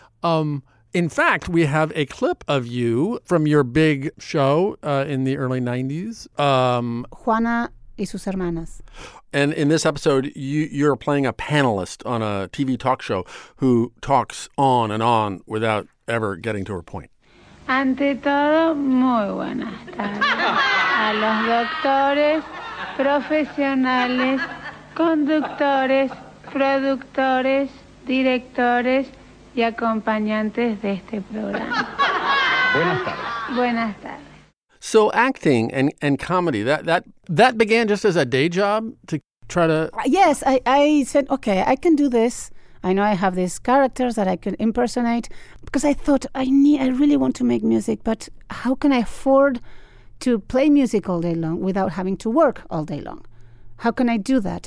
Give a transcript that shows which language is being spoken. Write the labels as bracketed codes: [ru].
[en] In fact, we have a clip of you from your big show in the early 90s. [es] Juana y sus hermanas. [en] And in this episode, you're playing a panelist on a TV talk show who talks on and on without ever getting to her point. [es] Ante todo, muy buenas tardes a los doctores, profesionales, conductores, productores, directores y acompañantes de este programa. Buenas tardes. [en] So acting and comedy, that began just as a day job to try to... Yes, I said, okay, I can do this. I know I have these characters that I can impersonate because I thought I really want to make music, but how can I afford to play music all day long without having to work all day long? How can I do that?